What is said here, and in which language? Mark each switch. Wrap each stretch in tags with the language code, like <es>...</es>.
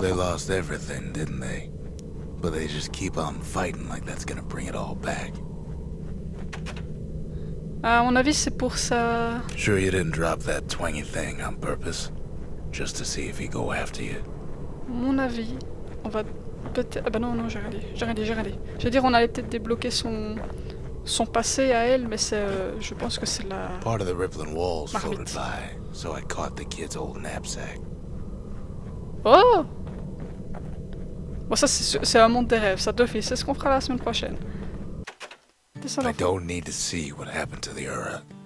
<en>They lost everything, didn't they? But they just keep on fighting like that's gonna bring it all back.</en> <fr>À mon avis, c'est pour ça.</fr> <en>Sure, you didn't drop that twangy thing on purpose. Just to see if he go after you.</en> <fr>Mon avis, on va peut-être... Ah bah non, j'ai rien dit. J'allais dire, on allait peut-être débloquer son passé à elle, mais c'est... je pense que c'est la...</fr> <en>Part of the Rippling Walls floated by, so I caught the kid's old knapsack. Oh!</en> <fr>Bon, ça, c'est un monde des rêves, ça, d'office. C'est ce qu'on fera la semaine prochaine.</fr> <en>I don't need to see what happened to the Ura.</en>